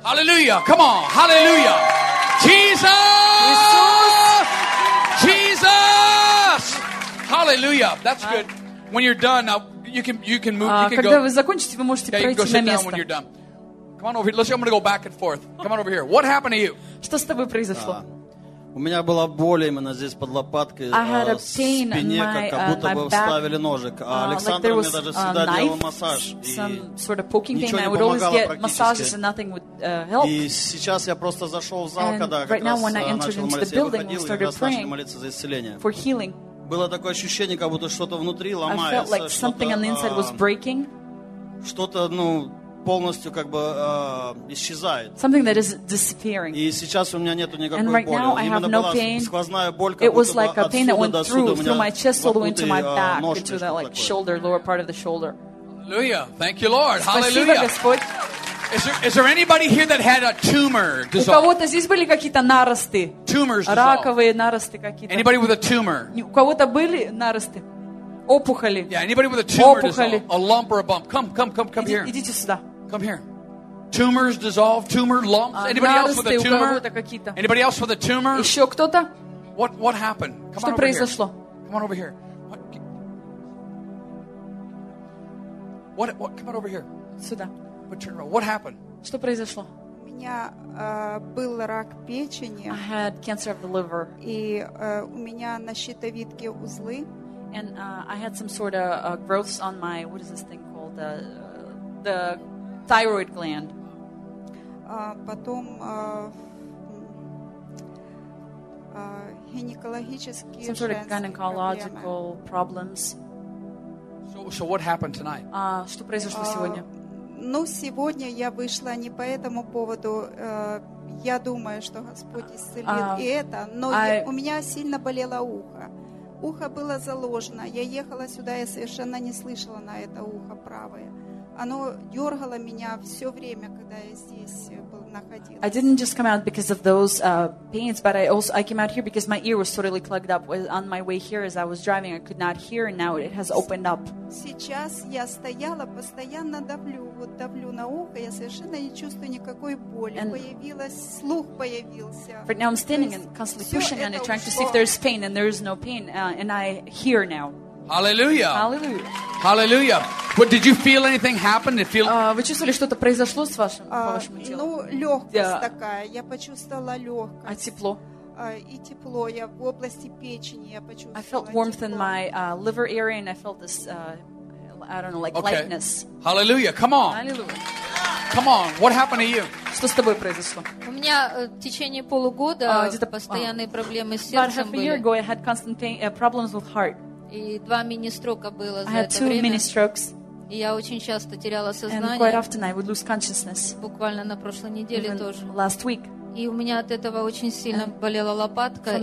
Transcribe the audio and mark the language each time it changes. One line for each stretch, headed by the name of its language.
English: Hallelujah! Come on! Hallelujah! Jesus! Jesus! Hallelujah! That's good. When you're done, you can move. You can
Russian: когда
English: go.
Russian: Вы закончите, вы можете
English: yeah,
Russian: пройти
English: you can go
Russian: на
English: sit
Russian: место.
English: Down when you're done. Come on over here. Let's see, I'm going to go back and forth. Come on over here. What happened to you?
Russian: Что с тобой произошло? У меня была боль именно здесь под лопаткой, в спине, как будто бы вставили ножик. А Александр мне даже всегда делал массаж, и ничего не помогало практически. И сейчас я просто зашел в зал, когда как раз начал молиться, я выходил, и как раз начали молиться за исцеление. Было такое ощущение, как будто что-то внутри ломается, что-то, ну... полностью как бы исчезает.
English: Something that is disappearing.
Russian: И сейчас у меня нету никакой
English: and right
Russian: боли.
English: Now,
Russian: именно была
English: pain.
Russian: Сквозная боль, как будто бы
English: like
Russian: отсюда до сюда.
English: Through my chest all the way into my back,
Russian: ножки,
English: into that like shoulder, lower part of the shoulder. Hallelujah. Thank you, Lord. Hallelujah.
Russian: Спасибо, Господь.
English: Is there anybody here that had a tumor?
Russian: У кого-то здесь были какие-то наросты?
English: Tumors.
Russian: Раковые наросты какие-то.
English: Anybody with a tumor?
Russian: У кого-то были наросты? Опухоли.
English: Yeah, anybody with a tumor?
Russian: Опухоли.
English: A lump or a bump? Come here.
Russian: Идите сюда.
English: Come here. Tumors dissolved. Tumor lumps. Anybody else with a tumor? Anybody else with a tumor?
Russian: Еще кто-то?
English: What happened? Come
Russian: Что
English: on over
Russian: произошло?
English: Here. Come on over here. What? Come on over here.
Russian: Сюда.
English: But turn around. What happened?
Russian: Что произошло? У меня был рак печени.
English: I had cancer of the liver.
Russian: И у меня на щитовидке узлы.
English: And I had some sort of growths on my what is this thing called the thyroid gland.
Russian: Потом гинекологические
English: Some sort of gynecological
Russian: проблемы.
English: Problems. So what happened tonight?
Russian: Что произошло сегодня? Ну, сегодня я вышла не по этому поводу. Я думаю, что Господь исцелит и это, но у меня сильно болело ухо. Ухо было заложено. Я ехала сюда, я совершенно не слышала на это ухо правое. оно дергало меня все время, когда я здесь находилась.
English: I didn't just come out because of those pains, but I came out here because my ear was totally clogged up. On my way here, as I was driving, I could not hear, and now it has opened up.
Russian: Сейчас я стояла, постоянно давлю, вот давлю на ухо, я совершенно не чувствую никакой боли. Появилась, слух появился.
English: Right now I'm standing and constantly pushing on it, trying to see if there's pain, and there is no pain, and I hear now. Hallelujah. Hallelujah. Hallelujah. What did you feel anything happen? Did you feel
Russian: вы чувствовали, что-то произошло с вашим, по вашему телу? Ну, легкость такая. Я почувствовала легкость. А тепло? И тепло я в области печени я почувствовала.
English: I felt warmth in my liver area and I felt this I don't know, like lightness. Hallelujah. Come on. Hallelujah. Come on. What happened to you?
Russian: Что с тобой произошло? У меня в течение полугода постоянные проблемы с сердцем были.
English: About half a year ago I had constant pain, problems with heart.
Russian: И два мини-строка было за это время.
English: I had two mini-strokes.
Russian: И я очень часто теряла сознание.
English: And quite often I would lose consciousness.
Russian: Буквально на прошлой неделе тоже.
English: Last week.
Russian: И у меня от этого очень сильно and болела лопатка.